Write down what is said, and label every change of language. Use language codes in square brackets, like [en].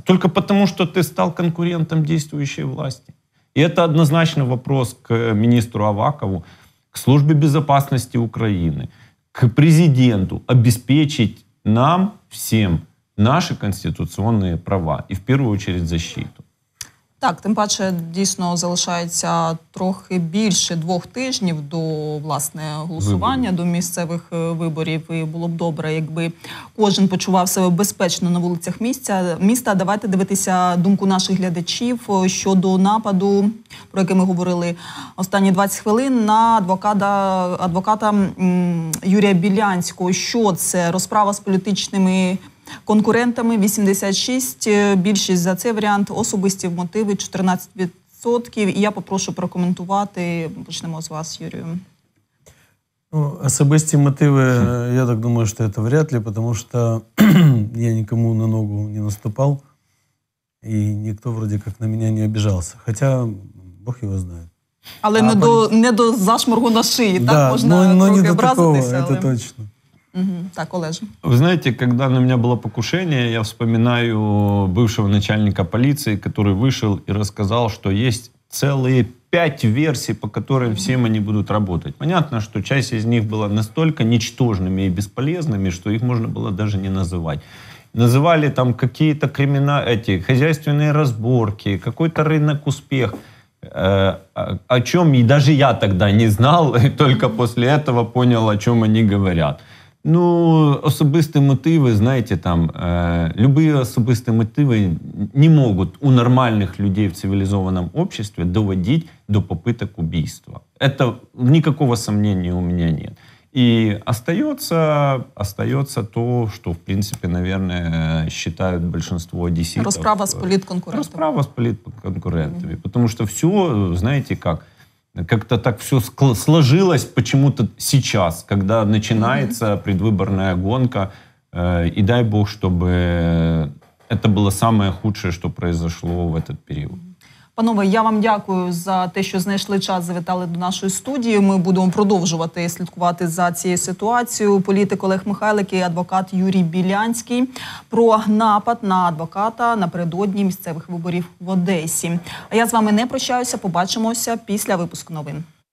[ru] Только потому, что ты стал конкурентом действующей власти. И это однозначно вопрос к министру Авакову, к службе безопасности Украины, к президенту обеспечить нам всем наши конституционные права и в первую очередь защиту. [uk] Так, тим паче, дійсно, залишається трохи більше 2 тижнів до, власне, голосування, до місцевих виборів. І було б добре, якби кожен почував себе безпечно на вулицях міста. Давайте дивитися думку наших глядачів щодо нападу, про який ми говорили останні 20 хвилин, на адвоката Юрія Білянського. Що це? Розправа з політичними конкурентами 86%, більшість за цей варіант, особисті мотиви 14%. І я попрошу прокоментувати. Почнемо з вас, Юрію. Ну, особисті мотиви, я так думаю, що це вряд ли, тому що я нікому на ногу не наступав, і ніхто, вроді, як на мене не обіжався. Хоча, Бог його знає. Але не до зашморгу на шиї, да, так? Можна трохи образитися. Але... Це точно. Так, Олеже. [ru] Вы знаете, когда на меня было покушение, я вспоминаю бывшего начальника полиции, который вышел и рассказал, что есть целые 5 версий, по которым всем они будут работать. Понятно, что часть из них была настолько ничтожными и бесполезными, что их можно было даже не называть. Называли там какие-то хозяйственные разборки, какой-то рынок успех. О чем и даже я тогда не знал, и только после этого понял, о чем они говорят. [uk] Ну, особисті мотиви, знаєте, там, любые особисті мотиви не можуть у нормальних людей в цивілізованому обществі доводити до попиток убійства. [ru] Это никакого сомнения у меня нет. И остается то, что, в принципе, наверное, считают большинство одесситов. Расправа с политконкурентами. Расправа с политконкурентами. Mm-hmm. Потому что все, знаете как, как-то так все сложилось почему-то сейчас, когда начинается предвыборная гонка, и дай Бог, чтобы это было самое худшее, что произошло в этот период. [uk] Панове, я вам дякую за те, що знайшли час, завітали до нашої студії. Ми будемо продовжувати слідкувати за цією ситуацією. Політик Олег Михайлик і адвокат Юрій Білянський про напад на адвоката напередодні місцевих виборів в Одесі. А я з вами не прощаюся, побачимося після випуску новин.